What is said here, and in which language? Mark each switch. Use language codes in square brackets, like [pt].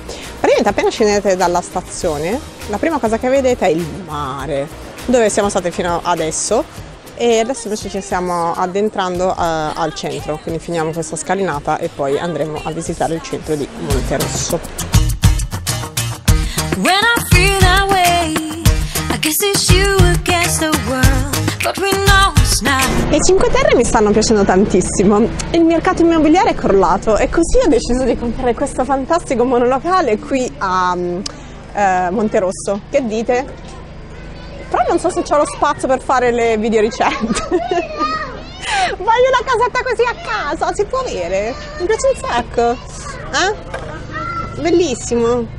[it] Praticamente appena scendete dalla stazione, la prima cosa che vedete è il mare, dove siamo state fino adesso, e adesso invece ci stiamo addentrando al centro, quindi finiamo questa scalinata e poi andremo a visitare il centro di Monte Rosso. [en] When I feel that way, I guess it's you against the world, but we know it's not. [it] Le Cinque Terre mi stanno piacendo tantissimo. Il mercato immobiliare è crollato e così ho deciso di comprare questo fantastico monolocale qui a Monte Rosso. Che dite? Però non so se c'ho lo spazio per fare le video ricette. Voglio una casetta così a casa, si può avere? Mi piace un sacco. Bellissimo.